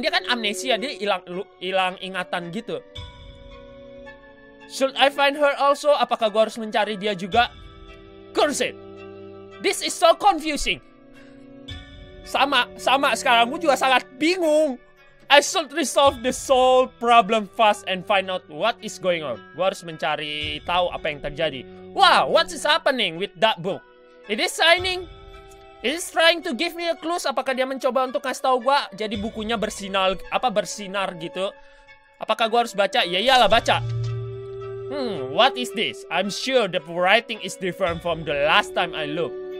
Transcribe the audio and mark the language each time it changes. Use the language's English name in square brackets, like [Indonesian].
[Indonesian] Dia kan amnesia, dia hilang ingatan gitu. [English] Should I find her also? [Indonesian] Apakah gua harus mencari dia juga? [English] Curse it! This is so confusing! [Indonesian] Sama sekarang gua juga sangat bingung. [English] I should resolve the soul problem fast and find out what is going on. [Indonesian] Gua harus mencari tahu apa yang terjadi. [English] Wow, what is happening with that book? It is shining. It is trying to give me a clue. Apakah dia mencoba untuk kasih tahu gua jadi bukunya bersinar gitu? [Indonesian] Apakah gua harus baca? Ya iyalah baca. [English] What is this? I'm sure the writing is different from the last time I looked.